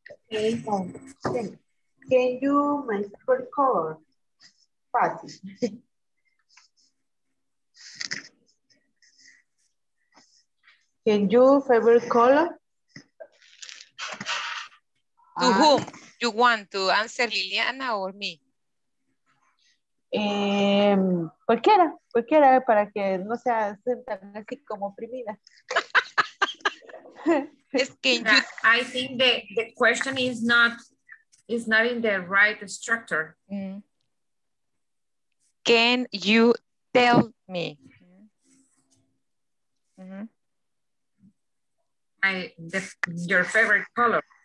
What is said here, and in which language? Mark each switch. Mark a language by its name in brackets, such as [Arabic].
[English] Okay. Can you make for the call, Patty? Can you favorite color? To whom you want to answer, Liliana or me? [Spanish] Cualquiera, cualquiera, para que no sea tan así como oprimida. Es que [English] you... I think the question is not in the right structure. Mm-hmm. Can you tell me? Mm-hmm. Your favorite color.